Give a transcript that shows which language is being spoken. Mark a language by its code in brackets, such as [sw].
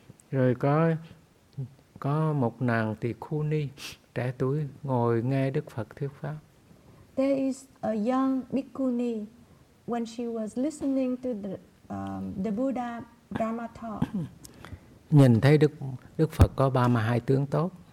[vi] Rồi có một nàng tỳ khu ni trẻ tuổi ngồi nghe Đức Phật thuyết pháp. [en] There is a young bhikkhuni when she was listening to the Buddha Dharma talk. [vi] Nhìn thấy Đức Phật có 32 tướng tốt.